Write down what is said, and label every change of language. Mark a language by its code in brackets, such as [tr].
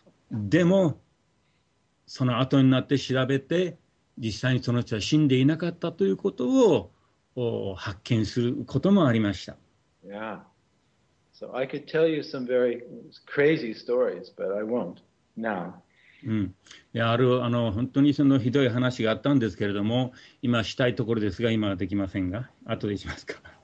[ja] でもその後になって調べて実際にその人は死んでいなかったということを発見することもありました。 [en] Yeah. So I could tell you some very crazy stories, but I won't now. [ja] うん、ある本当にそのひどい話があったんですけれども今したいところですが今はできませんが後でしますか。